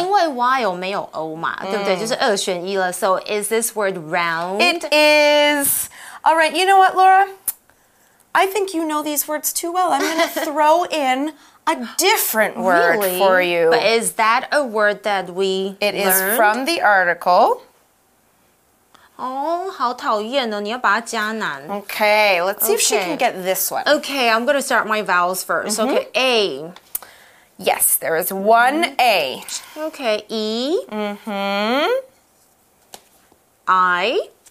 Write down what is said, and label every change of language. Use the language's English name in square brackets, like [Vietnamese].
[Chinese] 因为 while 没有 O 嘛，对不对？就是二选一了。 [English] So is this word round? It is. All right, you know what, Laura? I think you know these words too well. I'm going to throw in a different word for you. But is that a word that we learned? It is from the article. [Chinese] Oh, 好讨厌哦，你要把它加难。 [English] Okay, let's see if she can get this one. Okay, I'm going to start my vowels first. Mm-hmm. Okay, A. Yes, there is one A. Okay, E. I.